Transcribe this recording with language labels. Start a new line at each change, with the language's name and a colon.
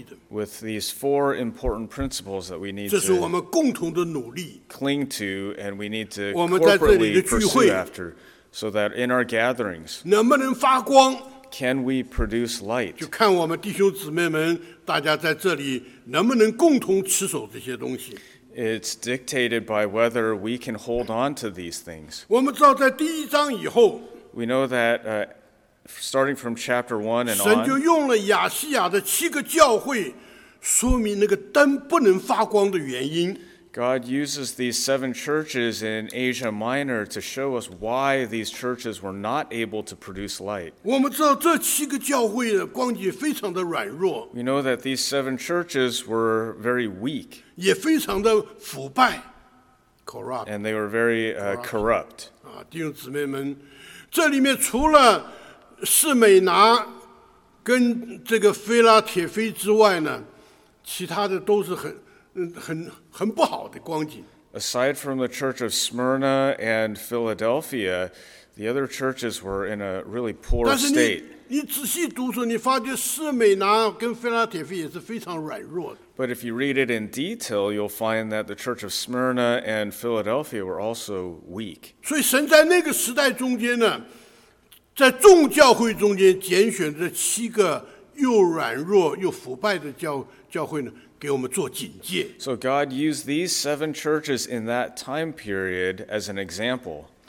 English: with these four important principles that we need to cling to and we need to corporately pursue after so that in our gatherings
Chinese: 能不能发光,
English: can we produce light?
Chinese: 就看我们弟兄姊妹们大家在这里能不能共同持守这些东西。
English: It's dictated by whether we can hold on to these things.
Chinese: 我们知道在第一章以后,
English: we know that starting from chapter 1 and on,
Chinese: 神就用了亚西亚的七个教会说明那个灯不能发光的原因。
English: God uses these seven churches in Asia Minor to show us why these churches were not able to produce light. We know that these seven churches were very weak. And they were very corrupt.
Chinese: 弟兄姊妹们，这里面除了士美拿跟这个菲拉铁菲之外呢，其他的都是很不好的光景。
English: Aside from the Church of Smyrna and Philadelphia, the other churches were in a really poor state.
Chinese: 你仔细读书，你发觉士美拿跟菲拉铁菲也是非常软弱的。
English: But if you read it in detail, you'll find that the Church of Smyrna and Philadelphia were also weak.
Chinese: 所以神在那个时代中间呢，在众教会中间拣选这七个又软弱又腐败的教会呢。
English: So God used these seven churches in that time period as an example.